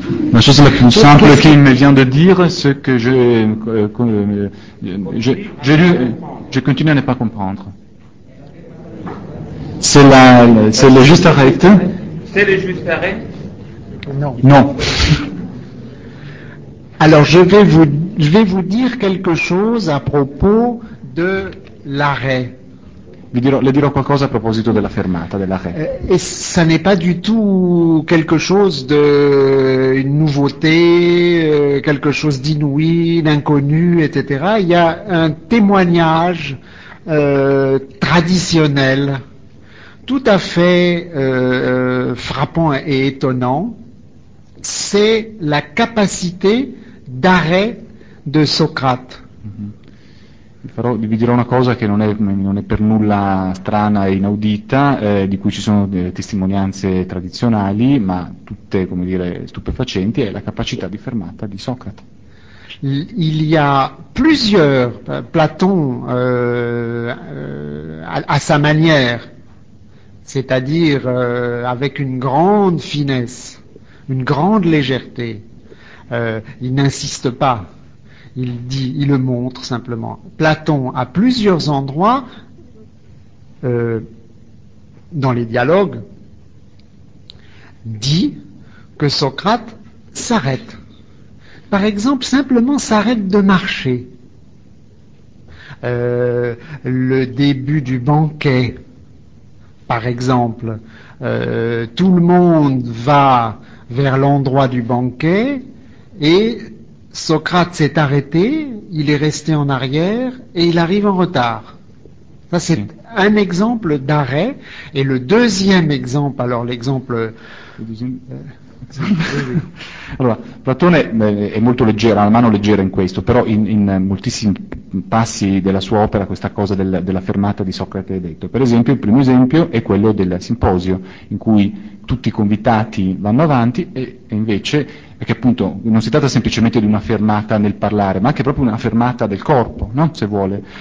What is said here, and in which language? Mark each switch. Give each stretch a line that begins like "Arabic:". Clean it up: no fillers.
French: La chose la plus simple qu'il me vient de dire, c'est que je continue à ne pas comprendre. C'est le juste arrêt. C'est le juste arrêt. Non. Non. Alors je vais vous dire quelque chose à propos de l'arrêt.
Italian: Le dirò qualcosa a proposito della fermata, dell'arrêt.
French: E ça n'est pas du tout quelque chose de une nouveauté, quelque chose d'inouï, d'inconnu, etc. Il y a un témoignage traditionnel, tout à fait frappant et étonnant. C'est la capacité d'arrêt de Socrate.
Italian: Però vi dirò una cosa che non è per nulla strana e inaudita, di cui ci sono testimonianze tradizionali, ma tutte, come dire, stupefacenti, è la capacità di fermata di Socrate.
French: Il y a plusieurs, Platon, à sa manière, c'est-à-dire avec une grande finesse, une grande légèreté, il n'insiste pas. Il dit, il le montre simplement. Platon, à plusieurs endroits, dans les dialogues, dit que Socrate s'arrête. Par exemple, simplement s'arrête de marcher. Le début du banquet, par exemple, tout le monde va vers l'endroit du banquet et Socrate s'est arrêté, il est resté en arrière et il arrive en retard. Ça, c'est un exemple d'arrêt. Et le deuxième exemple, alors l'exemple...
Italian: Allora, Platone è molto leggera, ha la mano leggera in questo, però in moltissimi passi della sua opera questa cosa della fermata di Socrate è detto. Per esempio, il primo esempio è quello del simposio, in cui tutti i convitati vanno avanti e invece, è che appunto non si tratta semplicemente di una fermata nel parlare, ma anche proprio una fermata del corpo, no? Se vuole.